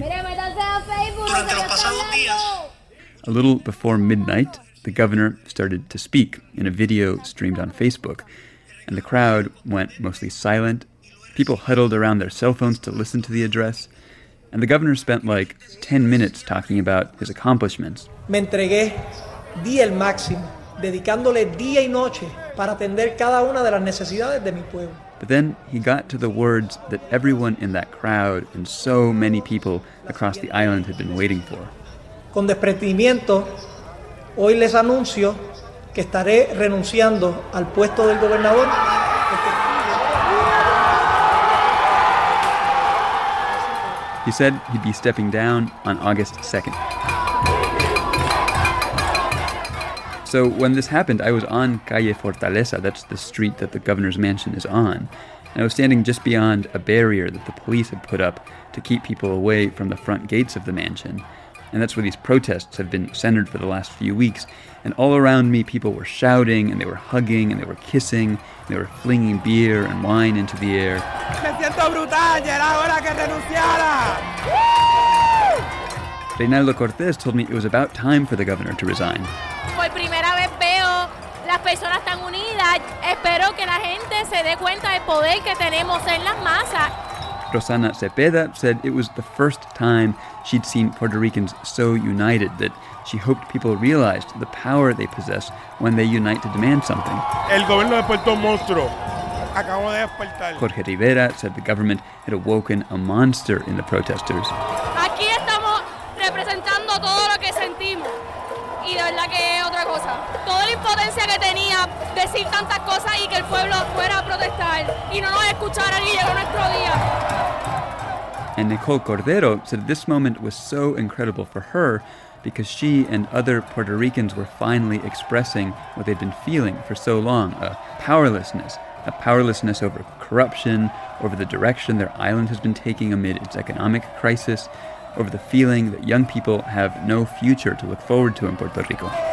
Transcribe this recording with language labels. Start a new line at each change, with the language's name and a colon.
English: A little before midnight, the governor started to speak in a video streamed on Facebook. And the crowd went mostly silent. People huddled around their cell phones to listen to the address. And the governor spent like 10 minutes talking about his accomplishments.
Spanish: Me entregué, di el máximo, dedicándole día y noche para atender cada una de las necesidades de mi pueblo.
English: But then he got to the words that everyone in that crowd and so many people across the island had been waiting for.
Spanish: Con desprendimiento, hoy les anuncio que estaré renunciando al puesto del gobernador.
English: He said he'd be stepping down on August 2nd. So when this happened, I was on Calle Fortaleza. That's the street that the governor's mansion is on. And I was standing just beyond a barrier that the police had put up to keep people away from the front gates of the mansion. And that's where these protests have been centered for the last few weeks. And all around me, people were shouting, and they were hugging, and they were kissing, and they were flinging beer and wine into the air.
Spanish: Me siento brutal, era hora que renunciara.
English: Reynaldo Cortez told me it was about time for the governor to resign.
Spanish: Por primera vez veo las personas tan unidas. Espero que la gente se dé cuenta del poder que tenemos en las masas.
English: Rosana Cepeda said it was the first time she'd seen Puerto Ricans so united that she hoped people realized the power they possess when they unite to demand something.
Spanish: El gobierno de Puerto Monstruo acabó de despertar.
English: Jorge Rivera said the government had awoken a monster in the protesters.
Spanish: Aquí estamos representando todo lo que sentimos. Y de verdad que es otra cosa. Toda la impotencia que tenía decir tantas cosas y que el pueblo fuera a protestar y no nos escuchara ni llegó nuestro día.
English: And Nicole Cordero said this moment was so incredible for her because she and other Puerto Ricans were finally expressing what they'd been feeling for so long, a powerlessness over corruption, over the direction their island has been taking amid its economic crisis, over the feeling that young people have no future to look forward to in Puerto Rico.